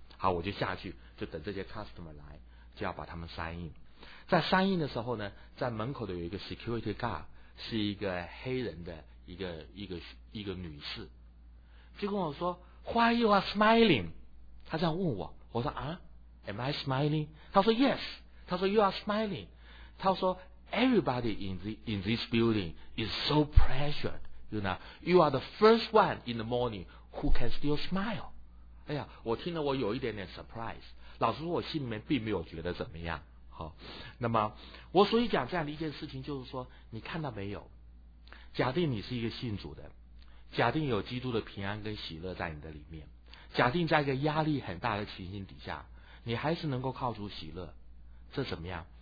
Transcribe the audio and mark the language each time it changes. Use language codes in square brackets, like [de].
[zh] 好，我就下去就等这些 customer 来，就要把他们三印。在三印的时候呢，在门口的有一个 security guard， 是一个黑人的一个女士，就跟我说 [en] Why you are smiling？ [zh] 他这样问我，我说啊 ， [en] Am I smiling？ [zh] 他说 [en] Yes， [zh] 他说 [en] You are smiling， [zh] 他说。 [en] Everybody in this building is so pressured, you know. You are the first one in the morning who can still smile. [zh] 哎呀，我听了我有一点点 surprise。老实说，我心里面并没有觉得怎么样。好，那么我所以讲这样的一件事情，就是说，你看到没有？假定你是一个信主的，假定有基督的平安跟喜乐在你的里面，假定在一个压力很大的情形底下，你还是能够靠主喜乐，这怎么样？